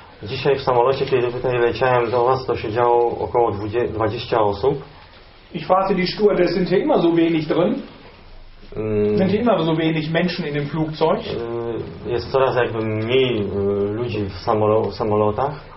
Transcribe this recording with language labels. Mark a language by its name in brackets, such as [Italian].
[Polish] Dzisiaj w samolocie, kiedy tutaj leciałem do was, to siedziało około 20 osób. [German] Ich fragte die Stewardess, sind hier immer so wenig drin? Sind hier immer so wenig Menschen in dem Flugzeug? [Polish] Jest coraz jakby mniej ludzi w samolotach.